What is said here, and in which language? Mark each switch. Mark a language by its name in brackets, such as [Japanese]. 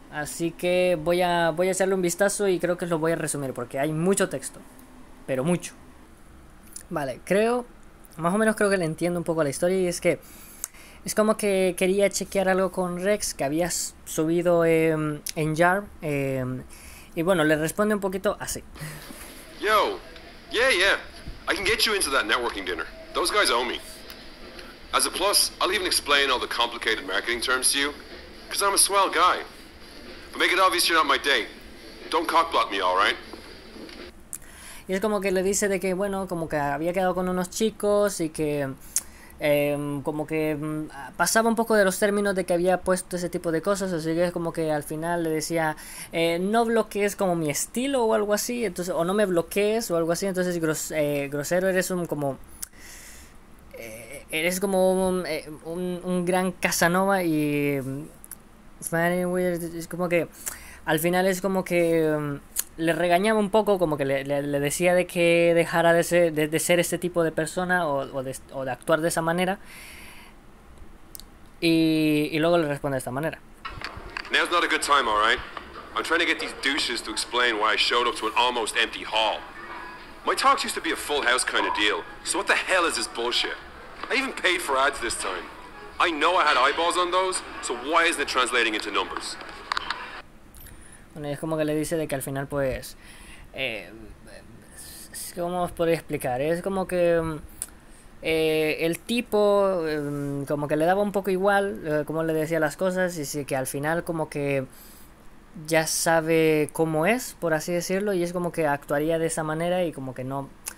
[Spanish] Así que voy a echarle un vistazo y creo que os lo voy a resumir porque hay mucho texto. Pero mucho. Vale, creo, más o menos creo que le entiendo un poco la historia y es que es como que quería chequear algo con Rex que había subido en Jar y bueno, le responde un poquito así. [English] Yo, yeah, I can get you into that networking dinner. Those guys owe me. As a plus, I'll even explain all the complicated marketing terms to you, because I'm a swell guy. But make it obvious you're not my date. Don't cockblock me, all right? [Spanish] Y es como que le dice de que, bueno, como que había quedado con unos chicos y que como que pasaba un poco de los términos de que había puesto ese tipo de cosas. Así que es como que al final le decía, no bloquees como mi estilo o algo así. Entonces, o no me bloquees o algo así. Entonces, grosero eres un como eres como un gran Casanova y es como que al final es como que le regañaba un poco, como que le decía de que dejara de ser este tipo de persona o de actuar de esa manera. Y luego le responde de esta manera. [English] Now's not a good time, all right? I'm trying to get these douches to explain why I showed up to an almost empty hall. My talks used to be a full house kind of deal, so what the hell is this bullshit? I even paid for ads this time. I know I had eyeballs on those, so why isn't it translating into numbers? [Spanish] Bueno, es como que le dice de que al final pues es como os podría explicar, es como que el tipo como que le daba un poco igual como le decía las cosas y sí que al final como que ya sabe cómo es, por así decirlo, y es como que actuaría de esa manera y como que no.